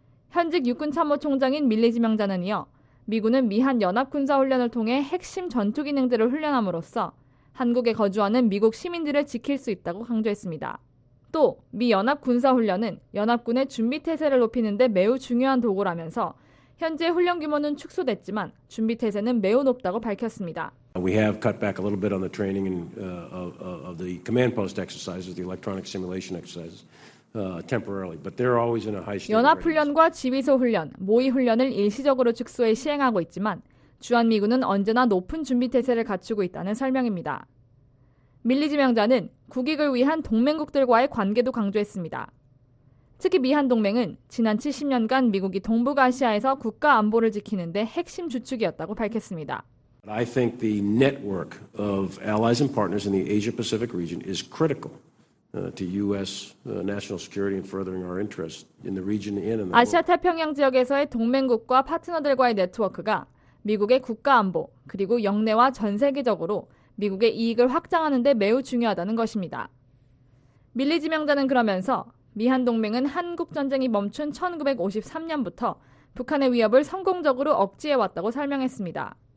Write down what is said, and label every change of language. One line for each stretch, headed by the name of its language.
Korean: 현직 육군참모총장인 밀리 지명자는 이어 미군은 미한 연합군사훈련을 통해 핵심 전투기능들을 훈련함으로써 한국에 거주하는 미국 시민들을 지킬 수 있다고 강조했습니다. 또 미 연합군사훈련은 연합군의 준비태세를 높이는 데 매우 중요한 도구라면서 현재 훈련 규모는 축소됐지만 준비태세는 매우 높다고 밝혔습니다.
English: We have cut back a little bit on the training and of the command post exercises, the electronic simulation exercises. Temporarily, but they're always in a high state.
Korean: 연합 훈련과 지휘소 훈련, 모의 훈련을 일시적으로 축소해 시행하고 있지만 주한 미군은 언제나 높은 준비 태세를 갖추고 있다는 설명입니다. 밀리 지명자는 국익을 위한 동맹국들과의 관계도 강조했습니다. 특히 미한 동맹은 지난 70년간 미국이 동북아시아에서 국가 안보를 지키는데 핵심 주축이었다고 밝혔습니다.
English: I think the network of allies and partners in the Asia-Pacific region is critical. To U.S. national security and furthering our interests in the region and in the world.
Korean: 아시아 태평양 지역에서의 동맹국과 파트너들과의 네트워크가 미국의 국가 안보 그리고 역내와 전 세계적으로 미국의 이익을 확장하는 데 매우 중요하다는 것입니다. 밀리 지명자는 그러면서 미한 동맹은 한국 전쟁이 멈춘 1953년부터 북한의 위협을 성공적으로 억제해 왔다고 설명했습니다.